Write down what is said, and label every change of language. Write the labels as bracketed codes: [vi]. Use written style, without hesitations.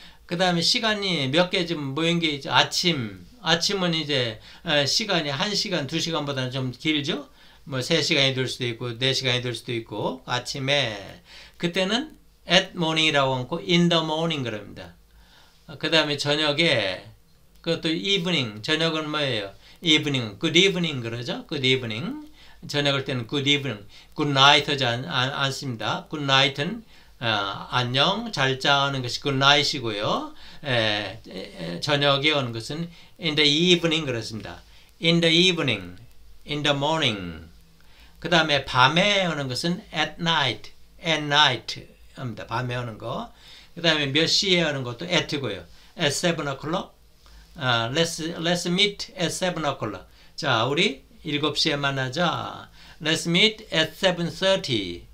[ko] 그 다음에 시간이 몇개좀 모인 게 있죠. 아침은 이제 시간이 1시간, 2시간보다는 좀 길죠. 뭐 3시간이 될 수도 있고 4시간이 될 수도 있고 아침에 그때는 [en] at morning [ko] 이라고 하고 [en] in the morning [ko] 그럽니다. 그 다음에 저녁에 그것도 evening, 저녁은 뭐예요? [en] evening, good evening [ko] 그러죠. [en] good evening, [ko] 저녁을 때는 [en] good evening, good night [ko] 하지 않습니다. good night은 안녕, 잘 자는 것이 굿나잇이고요. 저녁에 오는 것은 [en] in the evening [ko] 그렇습니다. [en] in the evening, in the morning. [ko] 그 다음에 밤에 오는 것은 [en] at night [ko] 합니다. 밤에 오는 거. 그 다음에 몇 시에 오는 것도 at고요. [en] at 7 o'clock. Let's meet at 7 o'clock. [ko] 자, 우리 7시에 만나자. [en] Let's meet at 7:30.